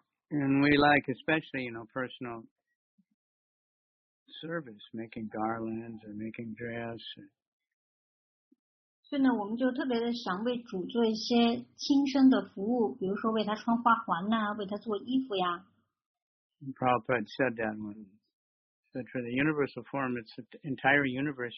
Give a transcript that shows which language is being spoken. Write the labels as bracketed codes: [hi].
[en] And we like especially, you know, personal service, making garlands or making dress. [zh] 所以呢，我们就特别的想为主做一些亲身的服务，比如说为他穿花环呐，为他做衣服呀。 [en] Prabhupada said that one. But for the universal form, it's the entire universe.